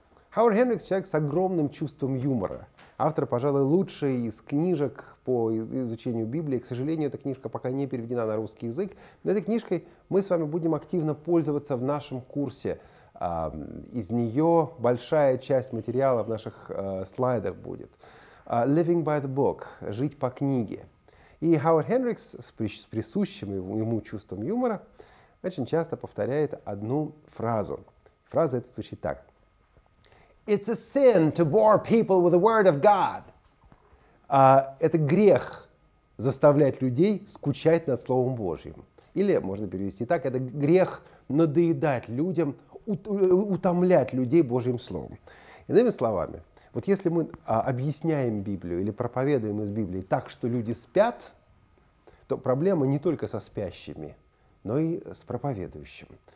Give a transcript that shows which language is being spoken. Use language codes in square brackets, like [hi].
[ru] Хауард Хендрикс — человек с огромным чувством юмора. Автор, пожалуй, лучший из книжек по изучению Библии. К сожалению, эта книжка пока не переведена на русский язык. Но этой книжкой мы с вами будем активно пользоваться в нашем курсе. Из нее большая часть материала в наших слайдах будет. [en] «Living by the book» — [ru] «Жить по книге». И Хауард Хендрикс с присущим ему чувством юмора очень часто повторяет одну фразу. Фраза эта звучит так. [en] It's a sin to bore people with the word of God. [ru] Это грех заставлять людей скучать над Словом Божьим. Или можно перевести так. Это грех надоедать людям, утомлять людей Божьим Словом. Иными словами, вот если мы объясняем Библию или проповедуем из Библии так, что люди спят, то проблема не только со спящими, но и с проповедующим.